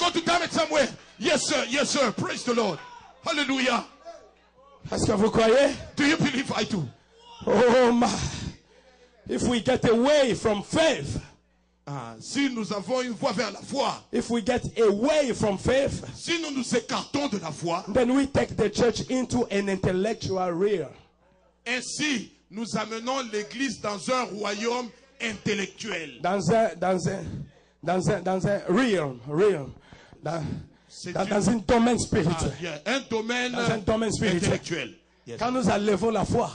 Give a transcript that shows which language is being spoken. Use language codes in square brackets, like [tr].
[en] We need to go to damage somewhere. Yes sir, yes sir. Praise the Lord. Hallelujah. [fr] Est-ce que vous croyez? [en] Do you believe I do? Oh my. If we get away from faith. [fr] Si nous avons une voie vers la foi. [en] If we get away from faith. [fr] Si nous nous écartons de la foi. [en] Then we take the church into an intellectual realm. [fr] Ainsi, nous amenons l'église dans un royaume intellectuel. Dans un realm. Dans un domaine spirituel. Dans un domaine spirituel. Yes. Quand nous enlevons la foi.